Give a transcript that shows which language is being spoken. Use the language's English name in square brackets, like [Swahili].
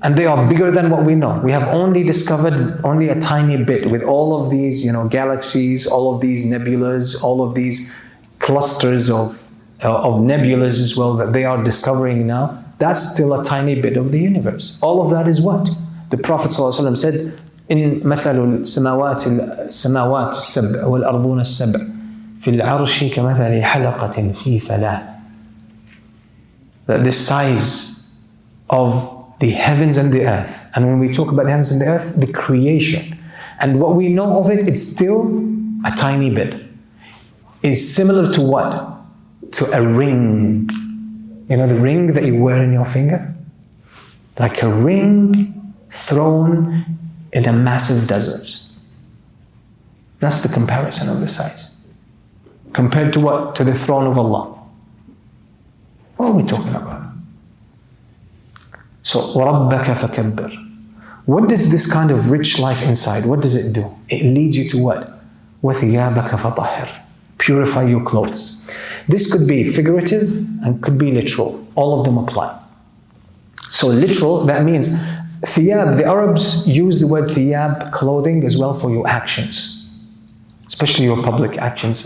[English] And they are bigger than what we know. We have only discovered only a tiny bit with all of these, galaxies, all of these nebulas, all of these clusters of nebulas as well that they are discovering now. That's still a tiny bit of the universe. All of that is what? The Prophet ﷺ said, in [Arabic] مَثَلُ السَّمَاوَاتِ السَّمَاوَاتِ السَّبْعِ وَالْأَرْضُونَ السَّبْعِ فِي الْعَرْشِ كَمَثَلِ حَلَقَةٍ فِي فَلَاهِ. [English] That the size of the heavens and the earth, and when we talk about the heavens and the earth, the creation, and what we know of it, it's still a tiny bit. It's similar to what? To a ring. The ring that you wear in your finger? Like a ring thrown in a massive desert. That's the comparison of the size. Compared to what? To the throne of Allah. What are we talking about? So, [Arabic] وَرَبَّكَ فَكَبِّرْ. [English] What does this kind of rich life inside, what does it do? It leads you to what? [Arabic] وَثِيَابَكَ فَطَحِرْ. [English] Purify your clothes. This could be figurative and could be literal. All of them apply. So literal, that means thiyab. The Arabs use the word thiyab, clothing, as well for your actions, especially your public actions.